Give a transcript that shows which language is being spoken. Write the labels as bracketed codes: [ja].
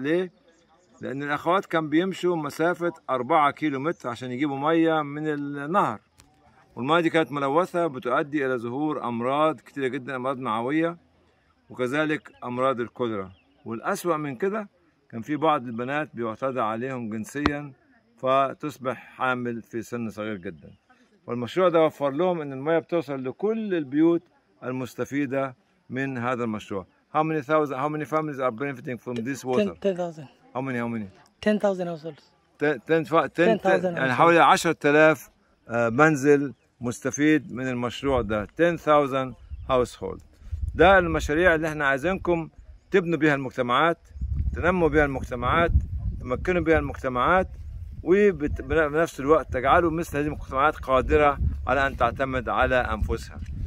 [ar] ليه؟ لأن الأخوات كان بيمشوا مسافة 4 كيلومتر عشان يجيبوا مية من النهر, والماء دي كانت ملوثة بتؤدي إلى ظهور أمراض كتيرة جدا, أمراض معوية وكذلك أمراض الكوليرا. والأسوأ من كده كان في بعض البنات بيعتدى عليهم جنسيا فتصبح حامل في سن صغير جدا. والمشروع ده وفر لهم ان المياه بتوصل لكل البيوت المستفيدة من هذا المشروع. [en] How many families are benefiting from this water? 10,000. How many? 10,000 households. [ar] 10,000 يعني حوالي 10,000 منزل مستفيد من المشروع ده. [en] 10,000 household. [ar] ده المشاريع اللي احنا عايزينكم تبنوا بها المجتمعات, تنموا بها المجتمعات, تمكنوا بها المجتمعات, وبنفس الوقت تجعلوا مثل هذه المجتمعات قادرة على أن تعتمد على أنفسها.